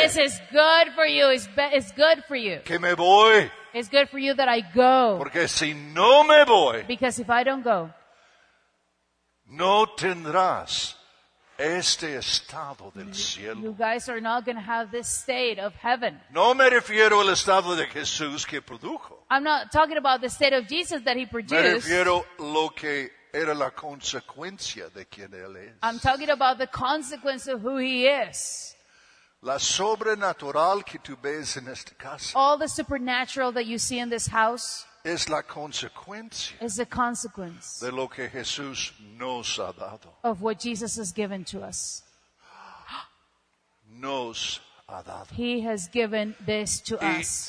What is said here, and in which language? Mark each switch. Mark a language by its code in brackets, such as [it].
[en] This is good for you. It's good for you. [es] Que me voy. [en] It's good for you that I go. [es] Porque si no me voy. [en] Because if I don't go. [es] No tendrás este estado del cielo. [en] You guys are not going to have this state of heaven. [es] No me refiero al estado de Jesús que produjo. [en] I'm not talking about the state of Jesus that he produced. [es] Me refiero lo que era la consecuencia de quien él es. [en] I'm talking about the consequence of who he is. [es] La sobrenatural que tú ves en esta casa. [en] All the supernatural that you see in this house. [es] Es la consecuencia. [en] Is the consequence. [es] De lo que Jesús nos ha dado. [en] Of what Jesus has given to us. [es] Nos ha dado. [en] He has given this to [es] y, [en] us.